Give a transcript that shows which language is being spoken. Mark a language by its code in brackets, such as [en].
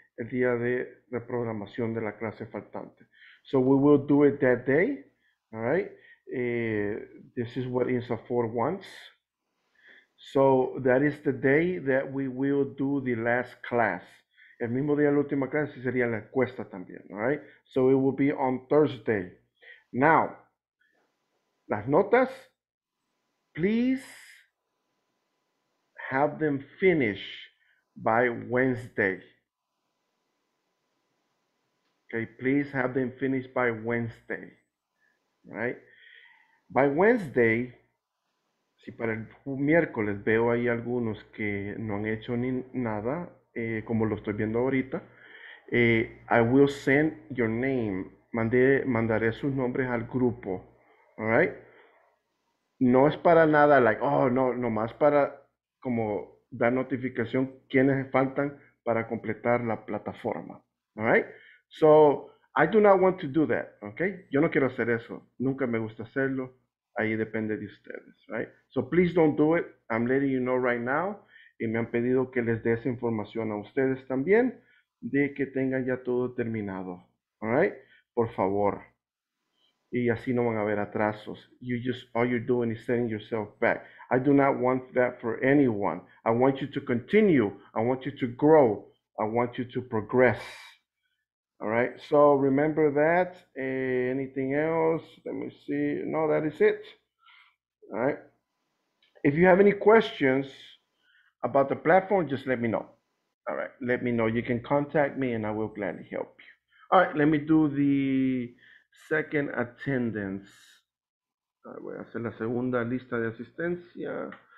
[es] El día de reprogramación de la clase faltante. [en] So we will do it that day, all right? This is what INSAFORP wants. So that is the day that we will do the last class. [es] El mismo día de la última clase sería la encuesta también, [en] all right? So it will be on Thursday. Now, [es] las notas, [en] please have them finish by Wednesday. Okay, please have them finish by Wednesday. Right? By Wednesday, [es] si para el miércoles veo ahí algunos que no han hecho ni nada, como lo estoy viendo ahorita, [en] I will send your name. [es] Mandaré sus nombres al grupo. [en] All right? [es] No es para nada [en] like, oh, no, [es] nomás para como dar notificación quienes faltan para completar la plataforma. [en] All right? So, I do not want to do that, okay? [es] Yo no quiero hacer eso. Nunca me gusta hacerlo. Ahí depende de ustedes, [en] right? So, please don't do it. I'm letting you know right now. [es] Y me han pedido que les dé esa información a ustedes también de que tengan ya todo terminado. [en] All right? [es] Por favor. Y así no van a haber atrasos. [en] You just, all you're doing is setting yourself back. I do not want that for anyone. I want you to continue. I want you to grow. I want you to progress. All right. So remember that. Anything else? Let me see. No, that is it. All right. If you have any questions about the platform, just let me know. All right. Let me know. You can contact me and I will gladly help you. All right. Let me do the second attendance. [es] Voy a hacer la segunda lista de asistencia.